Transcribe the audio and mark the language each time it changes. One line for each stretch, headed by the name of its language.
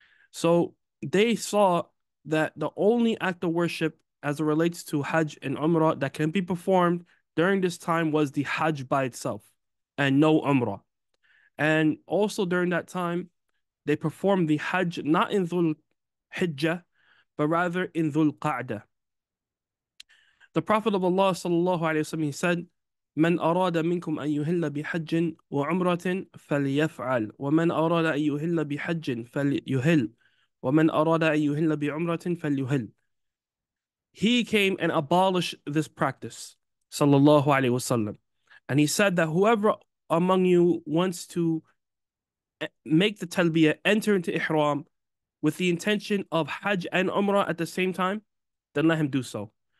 English: So they saw that the only act of worship as it relates to Hajj and Umrah that can be performed during this time was the Hajj by itself and no Umrah. And also during that time, they performed the Hajj not in Dhul Hijjah, but rather in Dhul Qa'dah. The Prophet of Allah sallallahu alayhi wa sallam, he said,
Arabic: مَنْ أَرَادَ مِنْكُمْ أَنْ يُهِلَّ بِحَجٍ وَعُمْرَةٍ فَلْيَفْعَلْ وَمَنْ أَرَادَ أَنْ يُهِلَّ بِحَجٍ فَلْيُهِلْ وَمَنْ أَرَادَ أَنْ يُهِلَّ بِعُمْرَةٍ فَلْيُهِلْ.
English: He came and abolished this practice sallallahu alayhi wa sallam. And he said that whoever among you wants to make the talbiyah, enter into ihram with the intention of Hajj and Umrah at the same time, then let him do so.